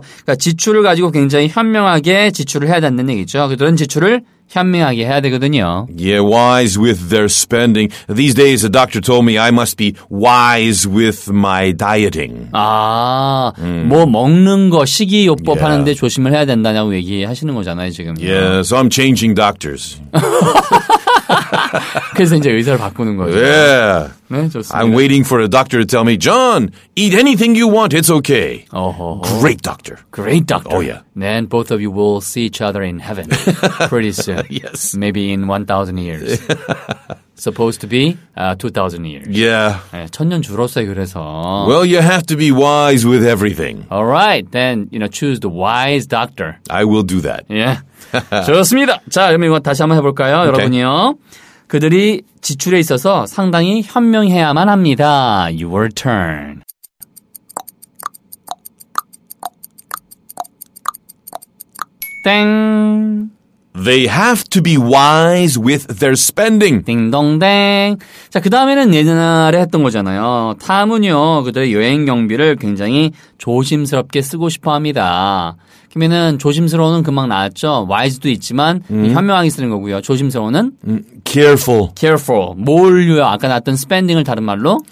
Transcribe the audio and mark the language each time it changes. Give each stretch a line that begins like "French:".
Korean: 그러니까 지출을 가지고 굉장히 현명하게 지출을 해야 된다는 얘기죠. 그들은 지출을 현명하게 해야 되거든요.
English: Yeah, wise with their spending. These days, a doctor told me I must be wise with my dieting.
Korean: 아, 뭐 먹는 거, 식이요법 yeah. 하는데 조심을 해야 된다냐고 얘기하시는 거잖아요, 지금.
English: Yeah, so I'm changing doctors.
Korean: 그래서 이제 의사를 바꾸는 거죠.
English: Yeah.
Korean: 네, 좋습니다.
English: I'm waiting for a doctor to tell me, John, eat anything you want, it's okay. Oh, great doctor. Great doctor. Oh, yeah. Then both of you will see each other in heaven pretty soon. Yes. Maybe in 1,000 years. Supposed to be 2,000 years. Yeah.
Korean: 1,000년 줄었어요, 그래서.
English: Well, you have to be wise with everything. All right. Then, you know, choose the wise doctor. I will do that.
Korean: Yeah. 좋습니다. 자, 그럼 이거 다시 한번 해볼까요,
English: okay.
Korean: 여러분이요? 그들이 지출에 있어서 상당히 현명해야만 합니다.
English: Your turn.
Korean: 땡.
English: They have to be wise with their spending.
Korean: 띵동댕. 자, 그 다음에는 옛날에 했던 거잖아요. 탐은요, 그들의 여행 경비를 굉장히 조심스럽게 쓰고 싶어 합니다. 그러면은 조심스러운은 금방 나왔죠. wise도 있지만 현명하게 쓰는 거고요. 조심스러운은
English: careful.
Korean: careful. 뭘요? 아까 나왔던 spending을 다른 말로?